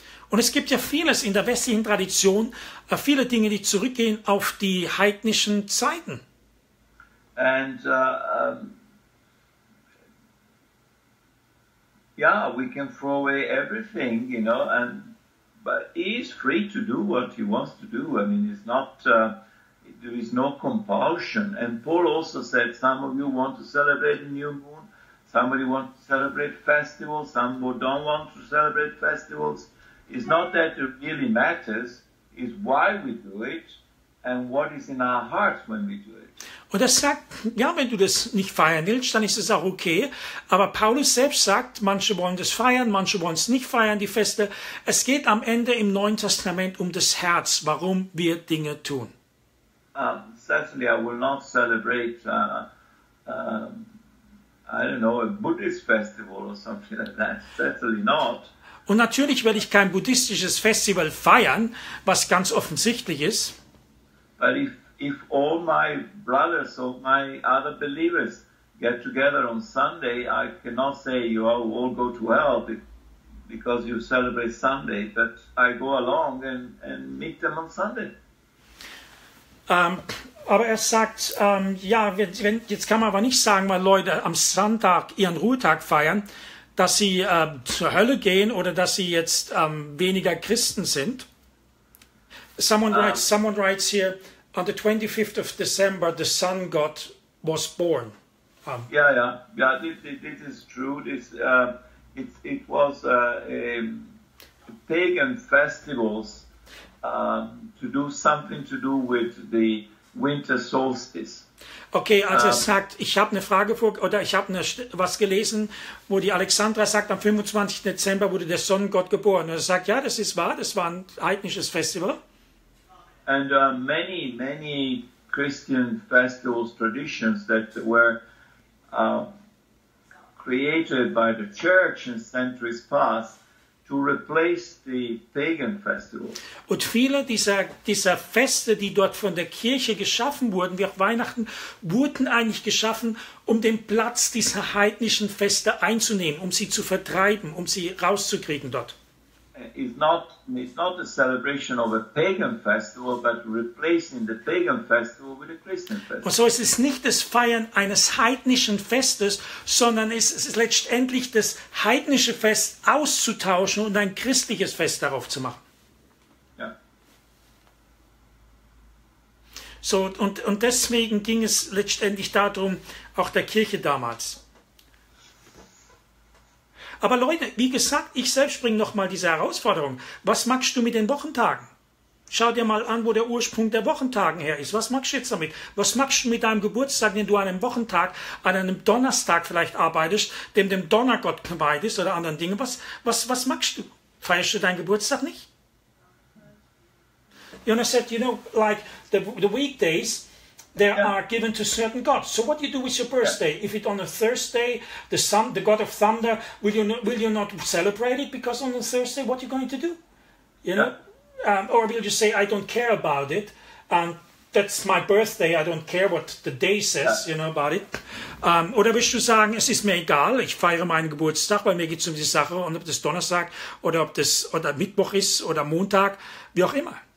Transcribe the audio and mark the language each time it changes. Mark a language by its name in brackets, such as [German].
[German] Und es gibt ja vieles in der westlichen Tradition, viele Dinge, die zurückgehen auf die heidnischen Zeiten. [English] And yeah, we can throw away everything, you know, and but he is free to do what he wants to do. I mean, it's not there is no compulsion. And Paul also said, some of you want to celebrate the new moon, somebody wants to celebrate festivals, some don't want to celebrate festivals. It's not that it really matters, it's why we do it and what is in our hearts when we do it. [German] Und er sagt, ja, wenn du das nicht feiern willst, dann ist es auch okay. Aber Paulus selbst sagt, manche wollen das feiern, manche wollen es nicht feiern, die Feste. Es geht am Ende im Neuen Testament um das Herz, warum wir Dinge tun. [English] Certainly I will not celebrate, I don't know, a Buddhist festival or something like that. Certainly not. [German] Und natürlich werde ich kein buddhistisches Festival feiern, was ganz offensichtlich ist. [English] But if all my brothers or my other believers get together on Sunday, I cannot say you all go to hell because you celebrate Sunday, but I go along and meet them on Sunday. [German] Aber er sagt, ja, wenn, jetzt kann man aber nicht sagen, weil Leute am Sonntag ihren Ruhetag feiern, dass sie zur Hölle gehen oder dass sie jetzt weniger Christen sind. [English] Someone writes here, on the 25th of December, the Sun God was born. This is true. It was a pagan festivals to do something to do with the winter solstice. [German] Okay, also er sagt, ich habe eine Frage vor, oder ich habe was gelesen, wo die Alexandra sagt, am 25. Dezember wurde der Sonnengott geboren. Und er sagt, ja, das ist wahr, das war ein heidnisches Festival. [English] And many, many Christian festivals, traditions that were created by the church in centuries past to replace the pagan festival. [German] Und viele dieser Feste, die dort von der Kirche geschaffen wurden, wie auch Weihnachten, wurden eigentlich geschaffen, um den Platz dieser heidnischen Feste einzunehmen, um sie zu vertreiben, um sie rauszukriegen dort. [English] It's not a celebration of a pagan festival, but replacing the pagan festival with a Christian festival. [German] Und so ist es nicht das Feiern eines heidnischen Festes, sondern es ist letztendlich das heidnische Fest auszutauschen und ein christliches Fest darauf zu machen. Ja. So, und deswegen ging es letztendlich darum, auch der Kirche damals. Aber Leute, wie gesagt, ich selbst bringe nochmal diese Herausforderung. Was machst du mit den Wochentagen? Schau dir mal an, wo der Ursprung der Wochentagen her ist. Was machst du jetzt damit? Was machst du mit deinem Geburtstag, den du an einem Wochentag, an einem Donnerstag vielleicht arbeitest, dem Donnergott geweiht ist oder anderen Dingen? Was machst du? Feierst du deinen Geburtstag nicht? [English] And I said, you know, like the weekdays, are given to certain gods. So what do you do with your birthday? Yeah. If it on a Thursday, the sun, the god of thunder, will you not celebrate it? Because on a Thursday, what are you going to do? You know? Or will you say, I don't care about it, and that's my birthday, I don't care what the day says, you know, about it. [German] Oder willst du sagen, es ist mir egal, ich feiere meinen Geburtstag, weil mir geht es um die Sache, und ob das Donnerstag oder ob das oder Mittwoch ist oder Montag, wie auch immer.